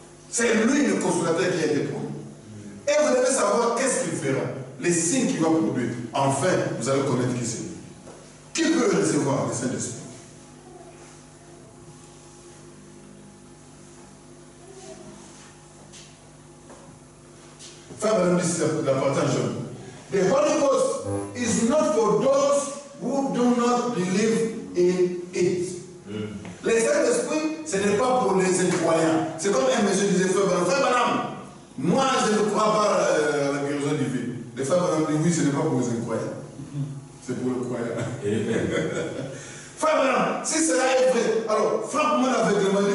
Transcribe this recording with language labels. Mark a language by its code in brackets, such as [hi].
[fr] C'est lui le consolateur qui a été promis. Et vous devez savoir qu'est-ce qu'il fera, les signes qu'il va produire. Enfin, vous allez connaître qui c'est. Qui peut recevoir le Saint-Esprit? Frère Madame, c'est l'important jeune. [en] The Holy Ghost is not for those who do not believe in it. [fr] Le Saint-Esprit, ce n'est pas pour les incroyants. C'est comme un monsieur disait, Frère Madame. Moi, je ne crois pas à la guérison divine. Les frères Branham disent, oui, ce n'est pas pour les incroyants. C'est pour les croyants. Amen. Frère Branham, si cela est vrai, alors frappe-moi avec le mari.